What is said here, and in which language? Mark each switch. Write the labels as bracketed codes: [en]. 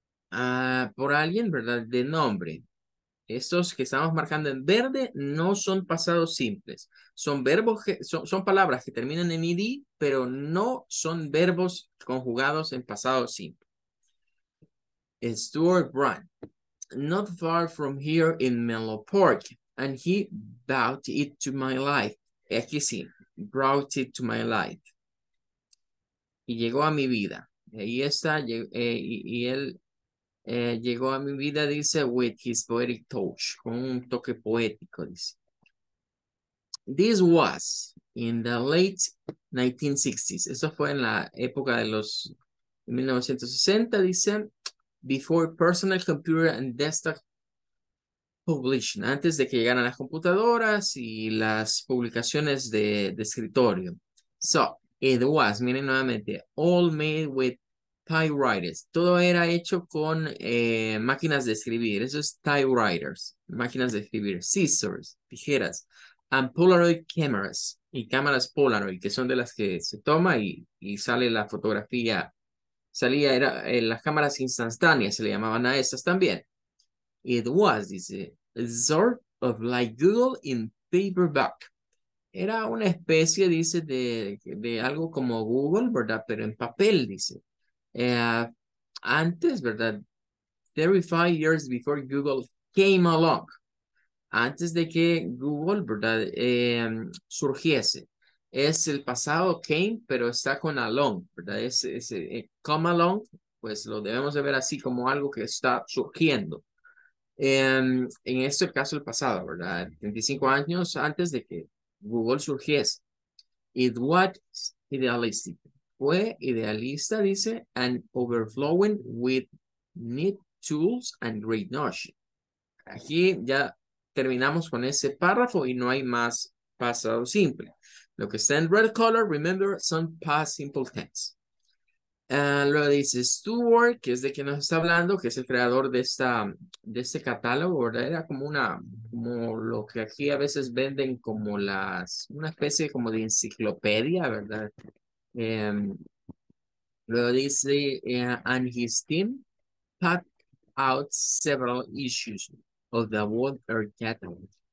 [es] Por alguien, ¿verdad? De nombre. Estos que estamos marcando en verde no son pasados simples. Son verbos, que, son palabras que terminan en ID, pero no son verbos conjugados en pasado simple. [en] Stuart Brand, not far from here in Menlo Park, and he brought it to my life. [es] Aquí sí, [en] brought it to my life. [es] Y llegó a mi vida. Ahí está, y él llegó a mi vida, dice, [en] with his poetic touch, [es] con un toque poético, dice. [en] This was in the late 1960s. [es] Eso fue en la época de los 1960, dice. [en] Before personal computer and desktop publishing, [es] antes de que llegaran las computadoras y las publicaciones de escritorio. [en] So, it was, [es] miren nuevamente, [en] all made with typewriters. [es] Todo era hecho con máquinas de escribir. Eso es typewriters, máquinas de escribir, scissors, tijeras, [en] and Polaroid cameras, [es] y cámaras Polaroid, que son de las que se toma y sale la fotografía. Salía, era las cámaras instantáneas, se le llamaban a esas también. [en] It was, dice, sort of like Google in paperback. [es] Era una especie, dice, de algo como Google, ¿verdad? Pero en papel, dice. Antes, ¿verdad? [en] 35 years before Google came along. [es] Antes de que Google, ¿verdad? Surgiese. Es el pasado came, pero está con along, ¿verdad? Come along, pues lo debemos de ver así como algo que está surgiendo. En este caso, el pasado, ¿verdad? 35 años antes de que Google surgiese. [en] It was idealistic. [es] Fue idealista, dice, [en] and overflowing with neat tools and great notion. [es] Aquí ya terminamos con ese párrafo y no hay más pasado simple. Lo que está en [en] red color, remember, [es] son past simple tense. Luego dice Stuart, que es de quien nos está hablando, que es el creador de este catálogo, ¿verdad? Era como una, como lo que aquí a veces venden como las, una especie como de enciclopedia, ¿verdad? Luego dice, [en] and his team put out several issues of the World Earth Catalog.